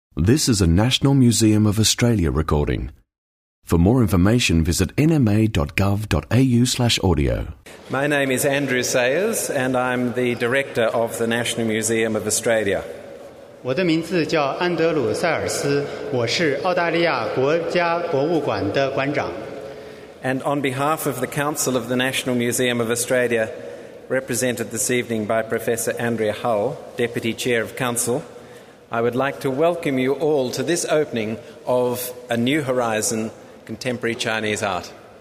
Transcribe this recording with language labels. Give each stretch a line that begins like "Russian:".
English: This is a National Museum of Australia recording. For more information, visit nma.gov.au/audio. My name is Andrew Sayers, and I'm the director of the National Museum of Australia.
Chinese: 我的名字叫安德鲁·塞尔斯，我是澳大利亚国家博物馆的馆长。
English: And on behalf of the Council of the National Museum of Australia, represented this evening by Professor Andrea Hull, Deputy Chair of Council, I would like to welcome you all to this opening of A New Horizon, Contemporary Chinese Art.